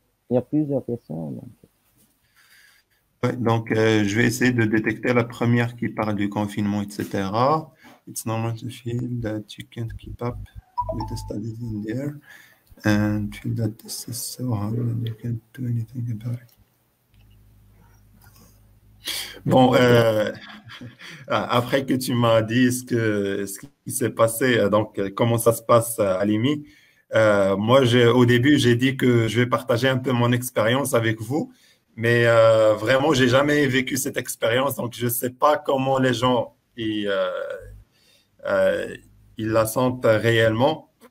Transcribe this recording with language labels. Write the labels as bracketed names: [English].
[French] Y a plusieurs questions. Donc... Donc, je vais essayer de détecter la première qui parle du confinement, etc. [English] It's normal to feel that you can't keep up with the studies in the air and feel that this is so hard and you can't do anything about it. [French] Bon, après que tu m'as dit ce qui s'est passé, donc comment ça se passe à l'IMI, au début, j'ai dit que je vais partager un peu mon expérience avec vous. Mais vraiment, j'ai jamais vécu cette expérience, donc je ne sais pas comment les gens ils la sentent réellement.